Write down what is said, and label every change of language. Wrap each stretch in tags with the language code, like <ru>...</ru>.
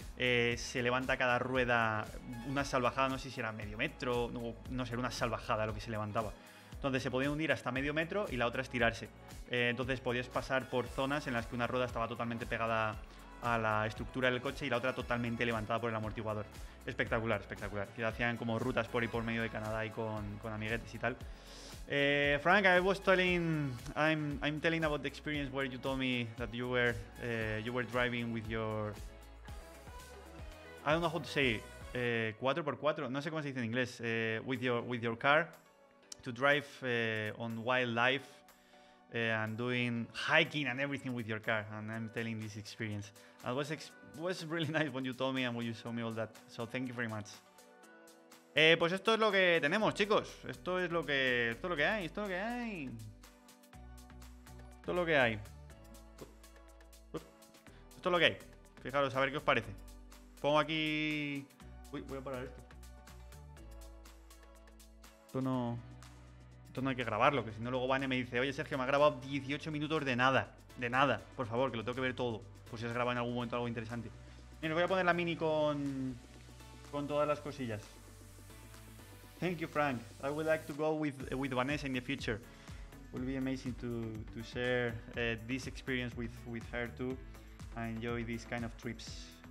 <es>Se levanta cada rueda una salvajada, no sé si era medio metro, no sé, era una salvajada lo que se levantaba. Entonces se podía hundir hasta medio metro y la otra estirarse. Entonces podías pasar por zonas en las que una rueda estaba totalmente pegada a la estructura del coche y la otra totalmente levantada por el amortiguador. Espectacular, espectacular. Y hacían como rutas por y por medio de Canadá y con amiguetes y tal.</es> <en>Frank, I'm telling about the experience where you told me that you were driving with your, I don't know how to say it, 4x4,</en> <es>no sé cómo se dice en inglés,</es> <en>with your car to drive on wildlife and doing hiking and everything with your car, and I'm telling this experience. It was really nice when you told me and when you showed me all that, so thank you very much.</en> <es>Pues esto es lo que tenemos, chicos. Esto es lo que hay. Esto es lo que hay. Fijaros, a ver qué os parece. Pongo aquí... Uy, voy a parar esto. Esto no hay que grabarlo, que si no luego Vane me dice: oye, Sergio, me ha grabado 18 minutos de nada. De nada, por favor, que lo tengo que ver todo. Por si has grabado en algún momento algo interesante. Mira, voy a poner la mini con todas las cosillas.</es> <en>Thank you, Frank. I would like to go with Vanessa in the future. It would be amazing to share this experience with her too. I enjoy these kind of trips.</en>